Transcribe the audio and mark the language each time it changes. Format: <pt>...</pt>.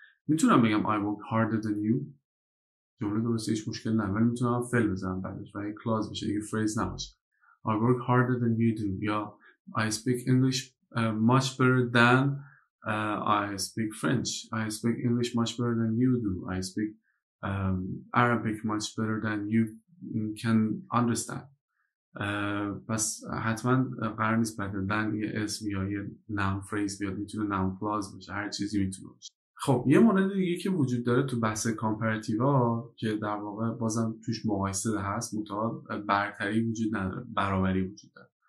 <fa>میتونم بگم</fa> <en>I work harder than you،</en> <fa>جمله درسته، هیچ مشکل نه، ولی میتونم فعل بزنم بعدش و یک کلاز بشه، یک فریز نباشه.</fa> <en>I work harder than you do، یا I speak English much better than I speak French. I speak English much better than you do. I speak Arabic much better than you can understand.</en> <fa>پس حتما قرار نیست بعد دن یه اسم یا یه نام فریز بیاد، میتونه نام کلاز باشه، هر چیزی میتونه باشه. خب یه مورد دیگه که وجود داره تو بحث کامپراتیو ها که در واقع بازم توش مقایسه ده هست، متعاد برتری وجود نداره، برابری وجود داره.</fa>